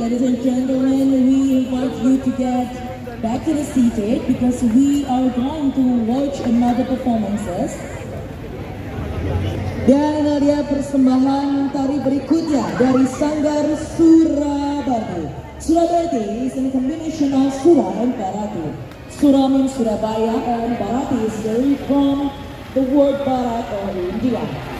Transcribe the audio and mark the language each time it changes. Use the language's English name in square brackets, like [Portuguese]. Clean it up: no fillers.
[English] Ladies and gentlemen, we invite you to get back to the seated because we are going to watch another performances. [Indonesian] Dan dia persembahan tari berikutnya dari Sanggar Surabaya. [English] Surabaya is a combination of Surah and Barati. Surah means Surabaya and Barati is from the word Barat or India.